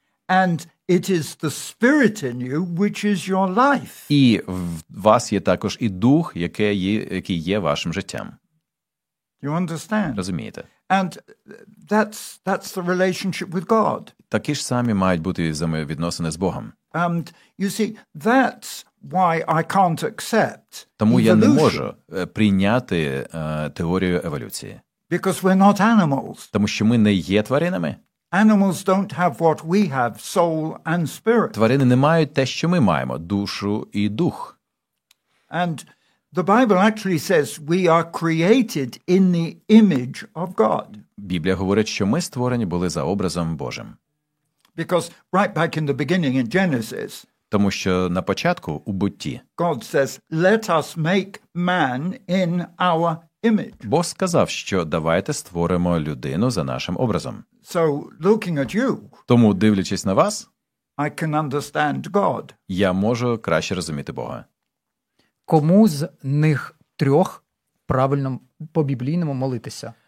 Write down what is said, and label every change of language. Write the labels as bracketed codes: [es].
[en] And it is the spirit in you which is your life. [uk] І в вас є також і дух, який є вашим життям. [en] You understand? [uk] Розумієте? [en] And that's the relationship with God. [uk] Такі ж самі мають бути взаємовідносини з Богом. [en] And you see, that's why I can't accept evolution. [uk] Тому я не можу прийняти теорію еволюції. [en] Because we're not animals. [uk] Тому що ми не є тваринами. [en] Animals don't have what we have, soul and spirit. [uk] Тварини не мають те, що ми маємо, душу і дух. [en] And the Bible actually says we are created in the image of God. [uk] Біблія говорить, що ми створені були за образом Божим. [en] Because right back in the beginning in Genesis. [uk] Тому що на початку у Бутті. [en] God says, "Let us make man in our image." [uk] Бог сказав, що давайте створимо людину за нашим образом. [en] So, looking at you. [uk] Тому дивлячись на вас, [en] I can understand God. [uk] Я можу краще розуміти Бога. Кому з них трьох правильно по-біблійному молитися?